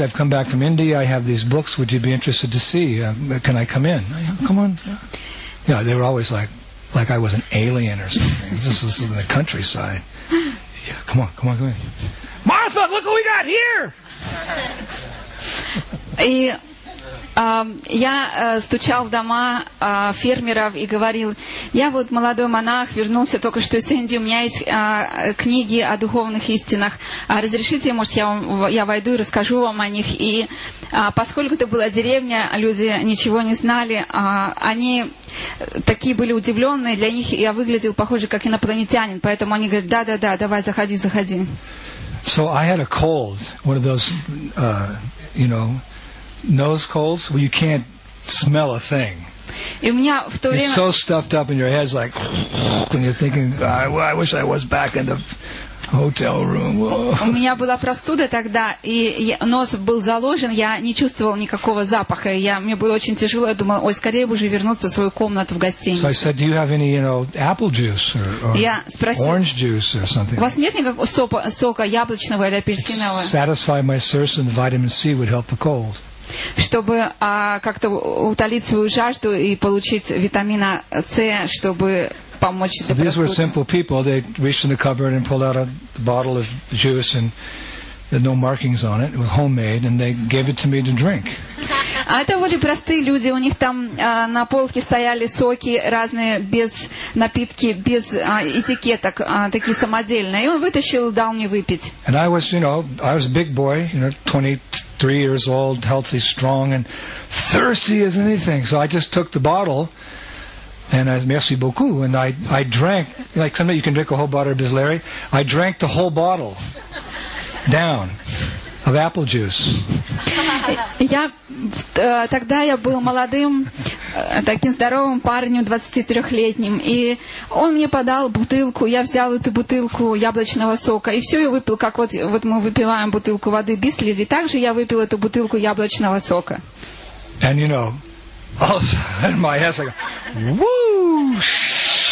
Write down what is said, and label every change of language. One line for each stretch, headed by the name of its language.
English: I've come back from India. I have these books. Would you be interested to see? Can I come in? Come on. Yeah, they were always like I was an alien or something. This is in the countryside. Yeah, come on. Martha, look what we got here!
Russian: И я стучал в дома фермеров и говорил, я вот молодой монах, вернулся только что из Индии, у меня есть книги о духовных истинах. Разрешите, может, я войду и расскажу вам о них. И поскольку это была деревня, люди ничего не знали, они такие были удивленные, для них я выглядел похоже как инопланетянин, поэтому они говорят, да, давай, заходи.
English: So I had a cold, one of those, you know, nose colds, where you can't smell a thing.
Russian: И у меня в то время...
English: You're so stuffed up in your head, like, and you're thinking, I wish I was back in the hotel room.
Russian: У меня была простуда тогда, и нос был заложен, я не чувствовал никакого запаха, мне было очень тяжело, я думал, ой, скорее бы уже вернуться в свою комнату в гостиницу.
English: So I said, do you have any, you know, apple juice or orange juice or something?
Russian: У вас нет никакого сока яблочного или апельсинового?
English: Satisfy my thirst and the vitamin C would help the cold.
Russian: Чтобы как-то утолить свою жажду и получить витамина С, чтобы помочь этой простуде.
English: These were simple people. They reached in the cupboard and pulled out a bottle of juice and no markings on it. It was homemade, and they gave it to me to drink.
Russian: А это были простые люди. У них там на полке стояли соки разные, без напитки, без этикеток, такие самодельные. И он вытащил, дал мне выпить.
English: And I was, you know, I was a big boy, you know, 23 years old, healthy, strong, and thirsty as anything. So I just took the bottle, and I said,
French: merci beaucoup,
English: and I drank, like somebody, you can drink a whole bottle of Bisleri. I drank the whole bottle down. Of apple juice.
Russian: Я тогда я был молодым, таким здоровым парнем, 23-летним, и он мне подал бутылку, я взял эту бутылку яблочного сока и все я выпил, как вот мы выпиваем бутылку воды Bisleri, также я выпил эту бутылку яблочного сока.
English: And you know, all of a sudden my head's like, whoosh.